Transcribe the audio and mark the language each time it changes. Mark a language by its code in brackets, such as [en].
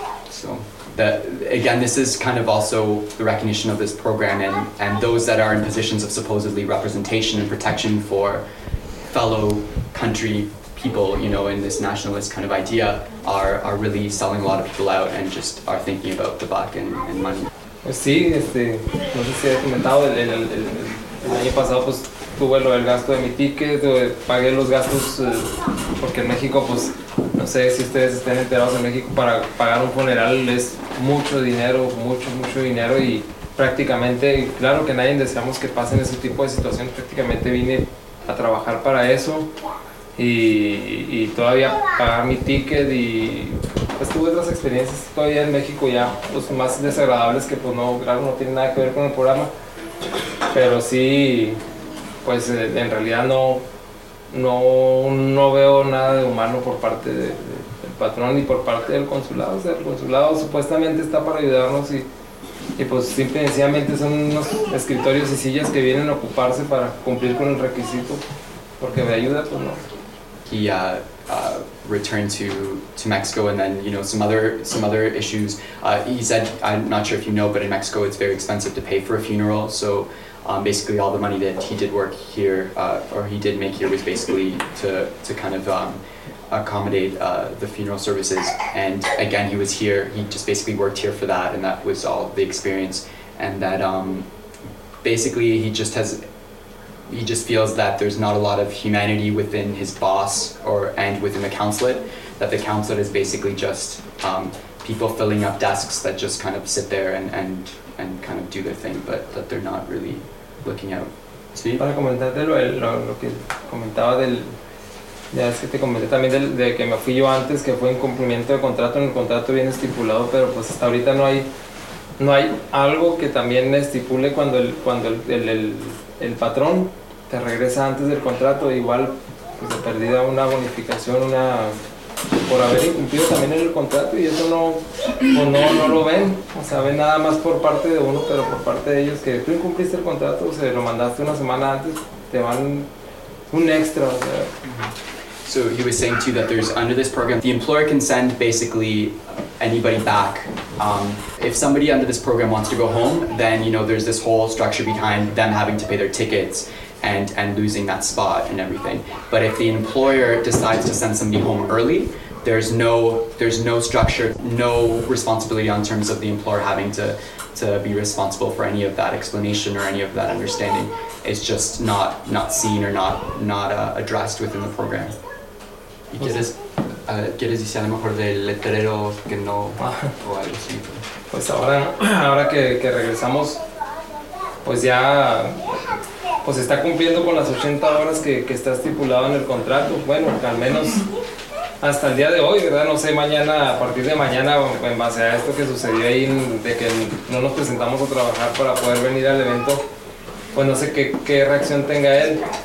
[en] So that, again, this is kind of also the recognition of this program and those that are in positions of supposedly representation and protection for fellow country people, in this nationalist kind of idea, are really selling a lot of people out and just are thinking about the buck and money. [es] Sí, no sé si he comentado, el año pasado pues tuve lo del gasto de mi ticket, pagué los gastos porque en México, pues no sé si ustedes estén enterados, en México para pagar un funeral es mucho dinero, mucho, mucho dinero, y prácticamente, y claro que nadie deseamos que pasen ese tipo de situaciones, prácticamente vine a trabajar para eso y todavía pagar mi ticket y... Pues tuve otras experiencias todavía en México ya, pues más desagradables que pues no, claro, no tiene nada que ver con el programa. Pero sí, pues en realidad no veo nada de humano por parte del patrón ni por parte del consulado. O sea, el consulado supuestamente está para ayudarnos y pues simple y sencillamente son unos escritorios y sillas que vienen a ocuparse para cumplir con el requisito. Porque de ayuda, pues no. [en] Returned to Mexico, and then some other issues. He said, I'm not sure if but in Mexico it's very expensive to pay for a funeral. So basically all the money that he did work here or he did make here was basically to kind of accommodate the funeral services. And again, he was here. He just basically worked here for that, and that was all the experience. And that basically he just feels that there's not a lot of humanity within his boss and within the consulate, that the consulate is basically just people filling up desks that just kind of sit there and kind of do their thing, but that they're not really looking out. [es] Sí, para comentarte lo que comentaba ya es que te comenté también de que me fui yo antes, que fue incumplimiento de contrato, en el contrato bien estipulado, pero pues hasta ahorita no hay algo que también estipule cuando el patrón te regresa antes del contrato, igual pues de perdida una bonificación, una por haber incumplido también el contrato, y eso no lo ven. O sea, ven nada más por parte de uno, pero por parte de ellos, que tú incumpliste el contrato, o sea, lo mandaste una semana antes, te van un extra, o sea. [en] So he was saying too that there's, under this program, the employer can send basically anybody back. If somebody under this program wants to go home, then there's this whole structure behind them having to pay their tickets and losing that spot and everything. But if the employer decides to send somebody home early, there's no structure, no responsibility in terms of the employer having to be responsible for any of that explanation or any of that understanding. It's just not seen or not addressed within the program. [es] ¿Quieres decir a lo mejor del letrero que no, o algo así? Pues ahora que regresamos, pues ya pues está cumpliendo con las 80 horas que está estipulado en el contrato. Bueno, al menos hasta el día de hoy, ¿verdad? No sé, mañana, a partir de mañana, en base a esto que sucedió ahí, de que no nos presentamos a trabajar para poder venir al evento, pues no sé qué reacción tenga él.